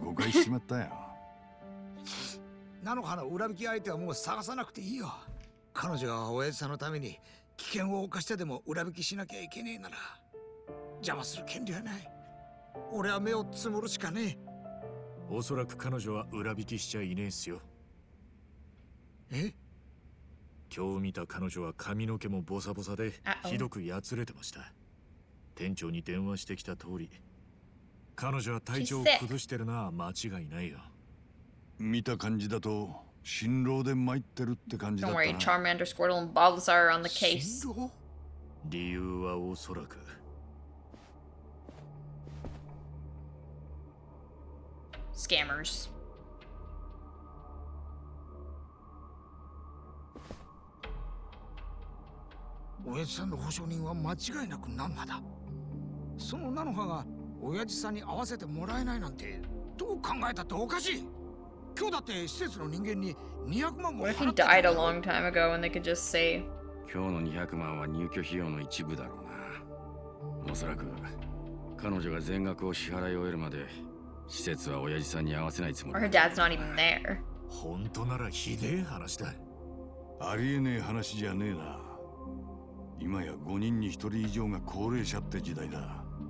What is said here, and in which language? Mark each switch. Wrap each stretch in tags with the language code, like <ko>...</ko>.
<ja>誤解しちまったよ。菜の花裏引き相手はもう探さなくていいよ。彼女が親父さんのために危険を冒してでも裏引きしなきゃいけねえなら邪魔する権利はない。俺は目をつむるしかねえ。おそらく彼女は裏引きしちゃいねえんすよ。え？今日見た彼女は髪の毛もボサボサでひどくやつれてました。店長に電話してきた通り、彼女は体調を崩してるのは間違いないよ。見た感じだと辛労で参ってるって感じだったな。</ja> <en>Don't worry, Charmander, Squirtle, and Bulbasaur are on the case.</en> <ja>辛労？理由はおそらく。</ja> <en>Scammers.</en> <ja>おやじさんの保証人は間違いなくナンマだ。そのナノハがおやじさんに会わせてもらえないなんてどう考えたっておかしい。今日だって施設の人間に200万も払って</ja> <en>た。 What if he died a long time ago and they could just say</en> <ja>今日の200万は入居費用の一部だろうな。おそらく彼女が全額を支払い終えるまで施設は親父さんに合わせないつもり。</ja> <en>Or her dad's not even there.</en> <ja>本当ならひでえ話だ。ありえねえ話じゃねえな。今や5人に1人以上が高齢者って時代だ。</ja>